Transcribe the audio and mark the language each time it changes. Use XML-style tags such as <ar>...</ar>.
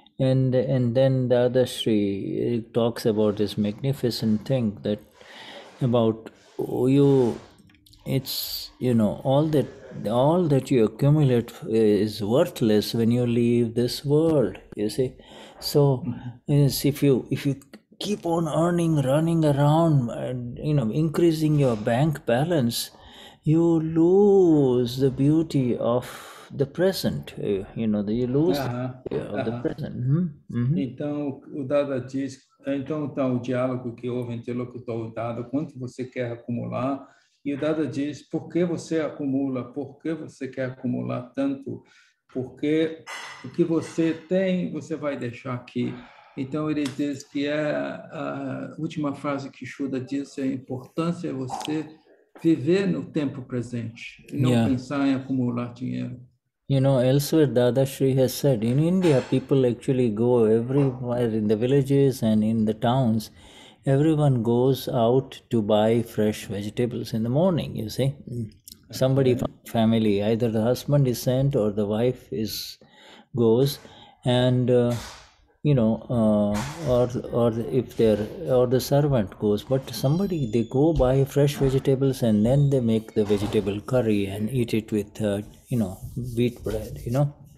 <en>And then Dadashri talks about this magnificent thing that about you, it's, you know, all that you accumulate is worthless when you leave this world, you see. So if you keep on earning, running around, you know, increasing your bank balance, you lose the beauty of the present, you know, you lose the present.</en> <pt>Então, o Dada diz, então está o diálogo que houve entre o interlocutor e o Dada, quanto você quer acumular, e o Dada diz, por que você acumula, por que você quer acumular tanto, porque o que você tem, você vai deixar aqui. Então ele diz que é a última frase que Shuddha disse, a importância é você viver no tempo presente, não pensar em acumular dinheiro.</pt> <en>You know, elsewhere Dadashri has said, in India, people actually go everywhere, in the villages and in the towns, everyone goes out to buy fresh vegetables in the morning, you see. Somebody from family, either the husband is sent or the wife goes, and, you know, or the servant goes, but somebody, they go buy fresh vegetables and then they make the vegetable curry and eat it with wheat bread, you know.</en>